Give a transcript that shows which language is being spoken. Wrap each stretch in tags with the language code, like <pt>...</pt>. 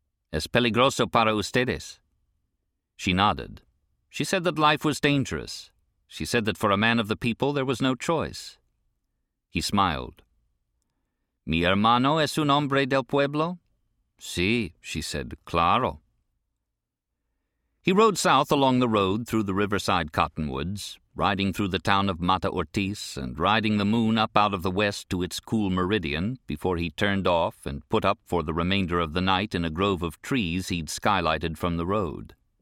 <es>Es peligroso para ustedes.</es> <en>She nodded. She said that life was dangerous. She said that for a man of the people there was no choice. He smiled.</en> <es>¿Mi hermano es un hombre del pueblo? Sí,</es> <en>she said,</en> <es>claro.</es> <en>He rode south along the road through the riverside cottonwoods, riding through the town of Mata Ortiz and riding the moon up out of the west to its cool meridian before he turned off and put up for the remainder of the night in a grove of trees he'd skylighted from the road.</en>